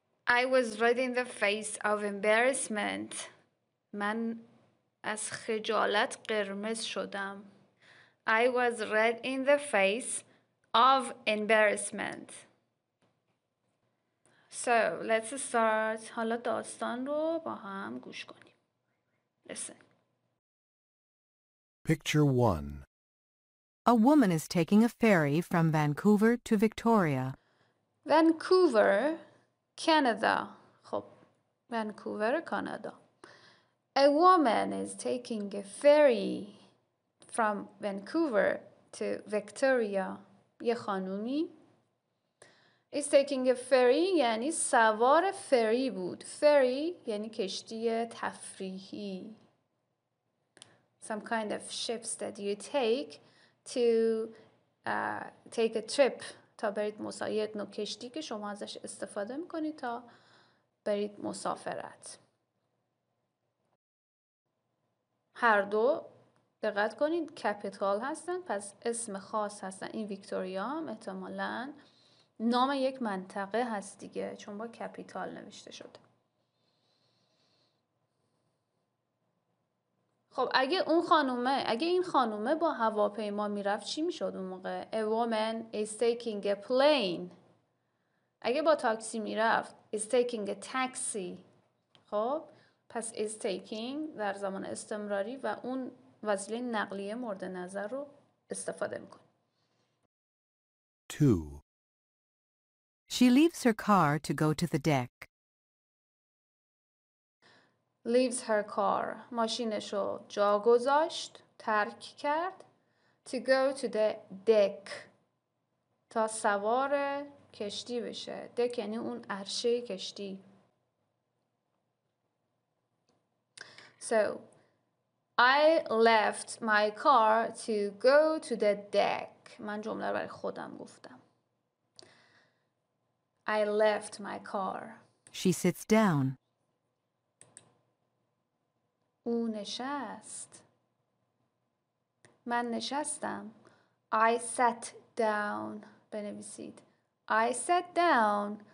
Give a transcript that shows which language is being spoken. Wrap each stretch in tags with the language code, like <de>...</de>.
<en>I was red in the face of embarrassment.</en> <fa>من از خجالت قرمز شدم.</fa> <en>I was red in the face of embarrassment. So, let's start.</en> <fa>حالا داستان رو با هم گوش کنیم.</fa> <en>Listen. Picture 1. A woman is taking a ferry from Vancouver to Victoria.</en> <fa>Vancouver, Canada. خب، ونکوور کانادا.</fa> <en>A woman is taking a ferry from Vancouver to Victoria.</en> <fa>یه خانومی</fa> <en>is taking a ferry</en> <fa>یعنی سوار فری بود. Ferry یعنی کشتی تفریحی.</fa> <en>Some kind of ships that you take to take a trip.</en> <fa>تا برید مسافرت، نو کشتی که شما ازش استفاده میکنید تا برید مسافرت. هر دو دقت کنید کپیتال هستن، پس اسم خاص هستن. این ویکتوریا احتمالاً نام یک منطقه هست دیگه، چون با کپیتال نوشته شده. خب اگه اون خانومه، اگه این خانومه با هواپیما میرفت چی میشد اون موقع؟</fa> <en>A woman is taking a plane.</en> <fa>اگه با تاکسی میرفت</fa> <en>is taking a taxi.</en> <fa>خب پس</fa> <en>is taking</en> <fa>در زمان استمراری و اون وسیله نقلیه مورد نظر رو استفاده میکنه. 2.</fa> <en>She leaves her car to go to the deck. Leaves her car.</en> <fa>ماشینشو جا گذاشت، ترک کرد.</fa> <en>To go to the deck.</en> <fa>تا سوار کشتی بشه. Deck یعنی اون عرشه کشتی.</fa> <en>So, I left my car to go to the deck.</en> <fa>من جمله رو برای خودم گفتم.</fa> <en>I left my car. She sits down.</en> <fa>او نشست. من نشستم.</fa> <en>I sat down.</en> <fa>بنویسید.</fa> <en>I sat down.</en>